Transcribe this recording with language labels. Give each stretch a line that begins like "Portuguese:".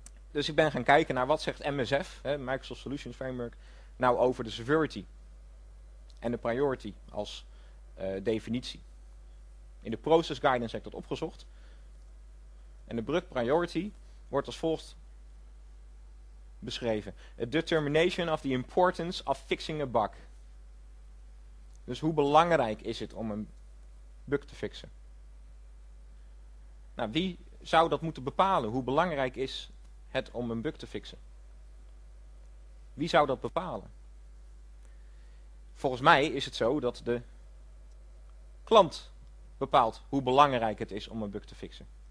Dutch: Dus ik ben gaan kijken naar wat zegt MSF, Microsoft Solutions Framework, nou over de severity en de priority als definitie. In de process guidance heb ik dat opgezocht. En de brug priority wordt als volgt beschreven.
English: A determination of the importance of fixing a bug.
Dutch: Dus hoe belangrijk is het om een bug te fixen? Nou, wie zou dat moeten bepalen? Hoe belangrijk is het om een bug te fixen? Wie zou dat bepalen? Volgens mij is het zo dat de klant bepaalt hoe belangrijk het is om een bug te fixen.